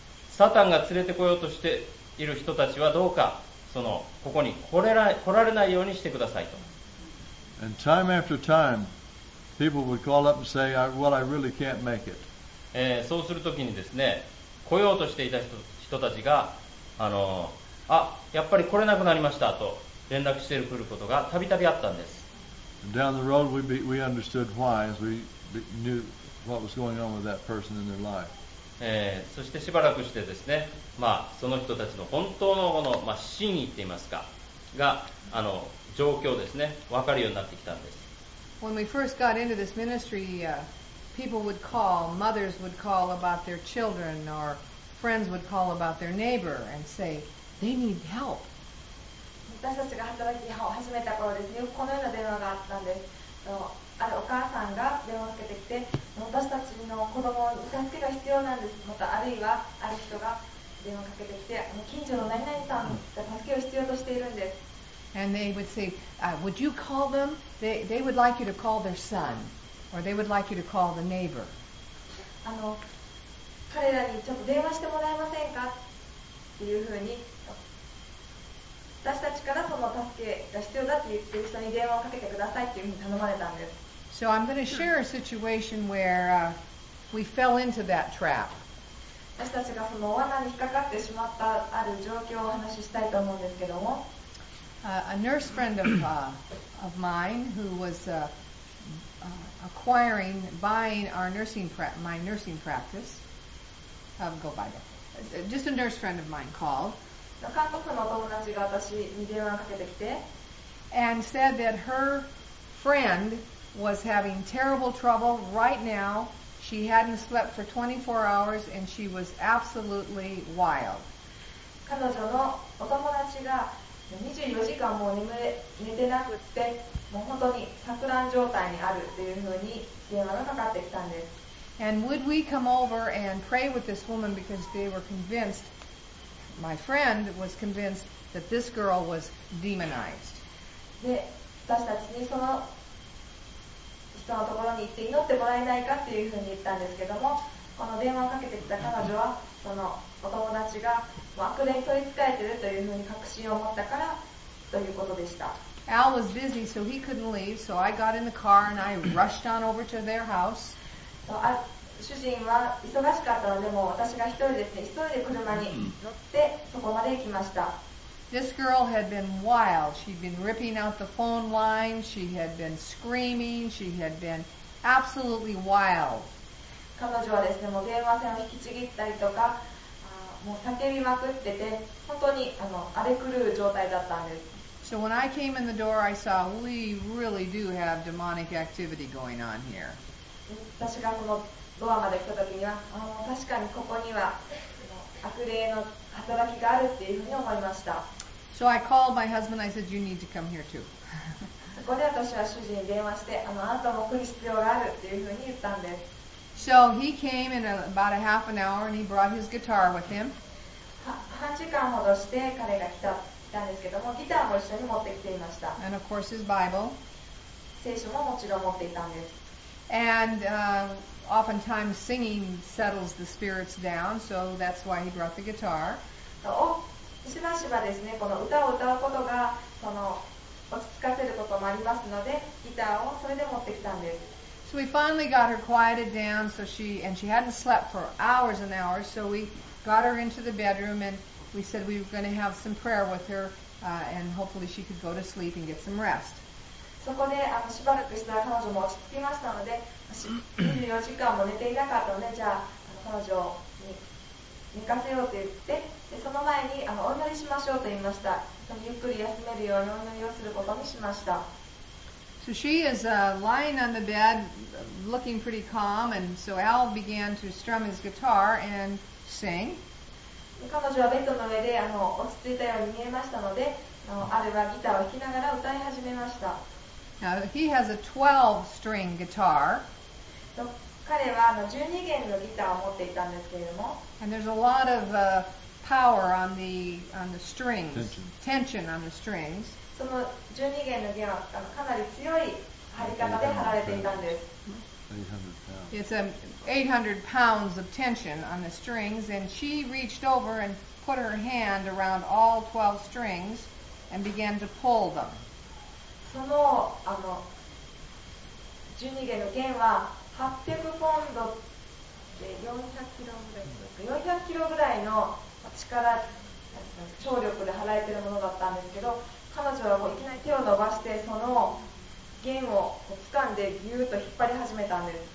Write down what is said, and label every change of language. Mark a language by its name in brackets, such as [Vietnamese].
[Japanese] サタンが連れてこようとしている人たちはどうかそのここに来られないようにしてくださいと。 [English] And time after time, people would call up and say, well, I really can't make it. [Japanese] そうするときにですね、来ようとしていた人たちがあ、やっぱり来れなくなりましたと連絡してくることがたびたびあったんです。 [English] Down the road, we understood why as we knew what was going on with that person in their life. [Japanese] そしてしばらくしてですね、まあ、その人たちの本当のこの、まあ、真意といいますか、が、あの、状況ですね、分かるようになってきたんです。 [English] When we first got into this ministry, people would call, mothers would call about their children, or friends would call about their neighbor and say, they need help. [Japanese] 私たちが働き始めた頃ですね、このような電話があったんです。あるお母さんが電話をかけてきて、私たちの子供に助けが必要なんです。またあるいはある人が電話をかけてきて、近所の何々さんが助けを必要としているんです。 [English] And they would say, would you call them? They would like you to call their son, or they would like you to call the neighbor. [Japanese] 彼らにちょっと電話してもらえませんか?っていうふうに。私たちからその助けが必要だって言ってる人に電話をかけてくださいっていうふうに頼まれたんです。 [English] So I'm going to share a situation where we fell into that trap. [Japanese] 私たちがその罠に引っかかってしまったある状況をお話ししたいと思うんですけども。 [English] A nurse friend of mine who was acquiring, buying our nursing my nursing practice. Go by that. Just a nurse friend of mine called. [Japanese] 韓国の友達が私に電話をかけてきて [English] and said that her friend was having terrible trouble right now. She hadn't slept for 24 hours and she was absolutely wild. [Japanese] 彼女のお友達が24時間もう寝てなくってもう本当に錯乱状態にあるというふうに電話がかかってきたんです [English] and would we come over and pray with this woman because they were convincedMy friend was convinced that this girl was demonized. [Japanese] で、私たちにその人のところに行って祈ってもらえないかっていうふうに言ったんですけども、この電話をかけてきた彼女はそのお友達が悪霊取り憑かれてるというふうに確信を持ったからということでした。 [English] Al was busy, so he couldn't leave. So I got in the car and I rushed on over to their house. [Japanese] 主人は忙しかったので、もう私が一人ですね、一人で車に乗ってそこまで行きました。 [English] This girl had been wild. She'd been ripping out the phone line. She had been screaming. She had been absolutely wild. [Japanese] 彼女はですね、もう電話線を引きちぎったりとか、もう叫びまくってて、本当に荒れ狂う状態だったんです。 [English] So when I came in the door, I saw we really do have demonic activity going on here. [Japanese] 私がこのドアまで来た時には、確かにここには悪霊の働きがあるっていうふうに思いました。 [English] So I called my husband. I said, you need to come here too. [Japanese] そこで私は主人に電話して、あなたも来る必要があるっていうふうに言ったんです。 [English] So he came in about a half an hour and he brought his guitar with him. [Japanese] 半時間ほどして彼が来たんですけども、ギターも一緒に持ってきていました。 [English] And of course his Bible. [Japanese] 聖書ももちろん持っていたんです。 [English] And oftentimes singing settles the spirits down, so that's why he brought the guitar. [Japanese] しばしばですね、この歌を歌うことがその落ち着かせることもありますので、ギターをそれで持ってきたんです。 [English] So we finally got her quieted down, so she hadn't slept for hours and hours, so we got her into the bedroom and we said we were going to have some prayer with her, and hopefully she could go to sleep and get some rest. [Japanese] そこでしばらくしたら彼女も落ち着きましたので24時間も寝ていなかったのでじゃあ彼女に寝かせようと言ってでその前にお祈りしましょうと言いましたゆっくり休めるようにお祈りをすることにしました [English] So she is lying on the bed looking pretty calm and so Al began to strum his guitar and sing [Japanese] 彼女はベッドの上で落ち着いたように見えましたのでアルはギターを弾きながら歌い始めました [English] Now, he has a 12 string guitar. [Japanese] 彼は12弦のギターを持っていたんですけれども。 [English] And there's a lot of power on the strings, tension on the strings. [Japanese] その12弦の弦はかなり強い張り方で張られていたんです。 [English] It's 800 pounds of tension on the strings, and she reached over and put her hand around all 12 strings and began to pull them. [Japanese] その12弦の弦は800ポンドで400キロぐらいの力聴力で払えてるものだったんですけど、彼女はこういきなり手を伸ばしてその弦をこう掴んでギューッと引っ張り始めたんです。